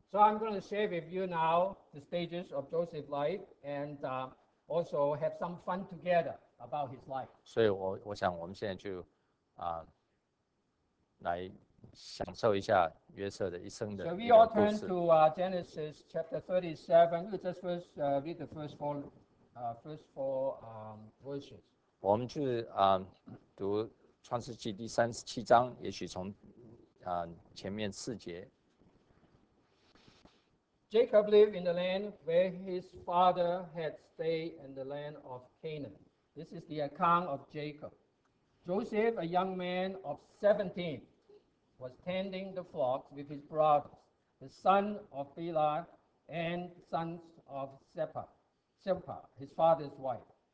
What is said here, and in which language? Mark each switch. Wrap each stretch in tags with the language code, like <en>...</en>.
<en>So I'm going to share with you now the stages of Joseph's life and also have some fun together about his life.</en> <zh>所以我想我们现在就来享受一下约瑟的一生的</zh> <en>So we all turn to Genesis chapter 37. We'll just first read the first four verses.</en> <zh>我们就读 创世纪第37章, 也许从 前面四节</zh> <en>Jacob lived in the land where his father had stayed in the land of Canaan. This is the account of Jacob. Joseph, a young man of 17, was tending the flocks with his brothers, the son of Bilhah and sons of Zilpah, his father's wife.</en>